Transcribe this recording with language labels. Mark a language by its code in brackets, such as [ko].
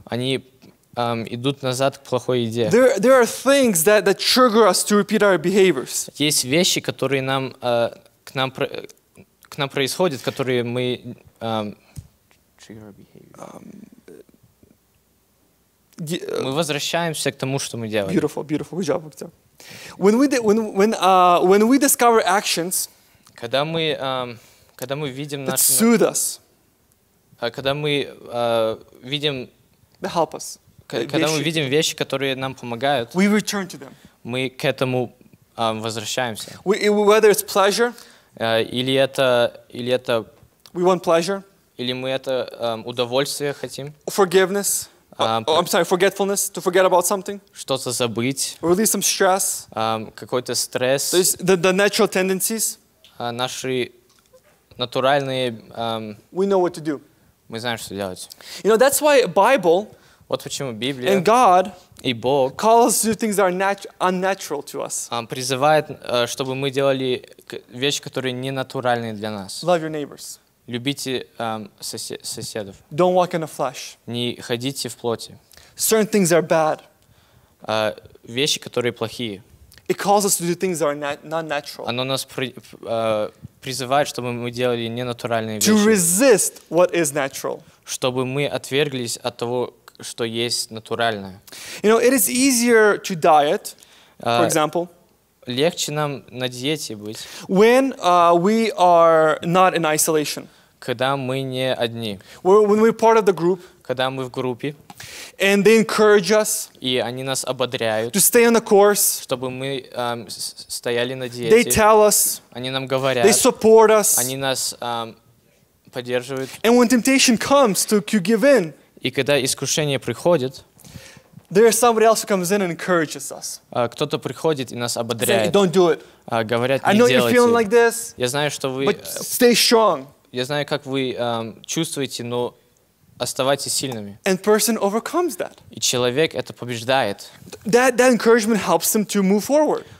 [ru] Они идут назад к плохой еде. [en] There are things that trigger us to repeat our behaviors. [ru] Есть вещи, которые нам к нам происходят, которые мы мы возвращаемся к тому, что мы делали. [en] Beautiful, good job, Victor. When we discover actions, [ru] когда мы видим наши, [en] that soothe us, [ru] когда мы видим, [en] they help us, [ru] когда мы видим вещи, которые нам помогают, [en] we return to them, [ru] мы к этому возвращаемся. [en] Whether it's pleasure, [ru] или это [en] we want pleasure, [ru] или мы это удовольствие хотим, [en] forgiveness, forgetfulness, to forget about something, [ru] что-то забыть, [en] release some stress, [ru] какой-то стресс, [en] so the natural tendencies, [ru] наши натуральные, [en] we know what to do, [ru] мы знаем, что делать. [en] You know, that's why Bible, [ru] вот почему Библия, [en] and God, [ru] и Бог, [en] calls to do things that are unnatural to us. [ru] Призывает, чтобы мы делали вещи, которые не натуральные для нас. [en] Love your neighbors. [ru] Любите соседов. [en] Don't walk in the flesh. [ru] Не ходите в плоти. [en] Certain things are bad. [ru] Вещи, которые плохие. [en] It calls us to do things that are not natural. [ru] Оно нас призывает, чтобы мы делали не натуральные вещи. [en] To resist what is natural. [ru] Чтобы мы отверглись от того, что есть натуральное. [en] You know, it is easier to diet, for example, [ru] легче нам на диете быть, [en] when we are not in isolation, [ru] когда мы не одни, [en] when we're part of the group, [ru] когда мы в группе, [en] and they encourage us, [ru] и они нас ободряют, [en] to stay on the course, [ru] чтобы мы стояли на диете, [en] they tell us, [ru] они нам говорят, [en] they support us, [ru] они нас поддерживают, [en] and when temptation comes to give in, [ru] и когда искушение приходит, [en] there is somebody else who comes in and encourages us. [ru] Кто-то приходит и нас ободряет. [en] Say, don't do it. [ru] Говорят, не делайте. [en] I know you're feeling like this. [ru] Я знаю, что вы. [en] But stay strong. [ru] Я знаю, как вы чувствуете, но оставайтесь сильными. [en] And person overcomes that. [ru] И человек это побеждает. [en] That encouragement helps them to move forward.